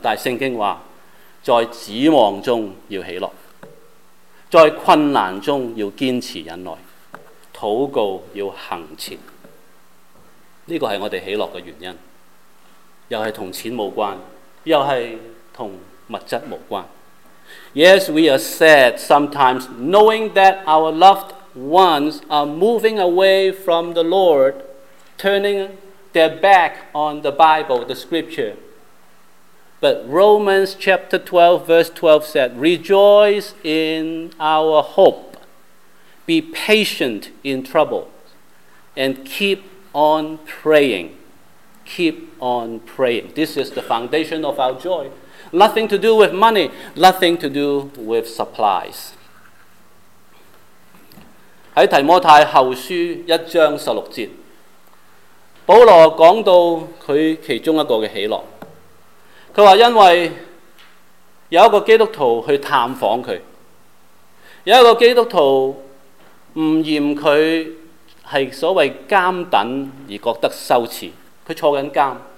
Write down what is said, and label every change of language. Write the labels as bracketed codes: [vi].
[zh] 但是圣经说，在指望中要喜乐，在困难中要坚持忍耐，祷告要行切。这个是我们喜乐的原因，又是跟钱无关，又是跟物质无关。 [en] Yes, we are sad sometimes knowing that our loved ones are moving away from the Lord, turning their back on the Bible, the scripture. But Romans chapter 12, verse 12 said, Rejoice in our hope, be patient in trouble, and keep on praying. Keep on praying. This is the foundation of our joy. Nothing to do with money, nothing to do with supplies. [zh] 在提摩太后书一章十六节，保罗讲到他其中一个的喜乐。他说因为有一个基督徒去探访他，有一个基督徒误嫌他是所谓监等而觉得羞耻，他坐着监。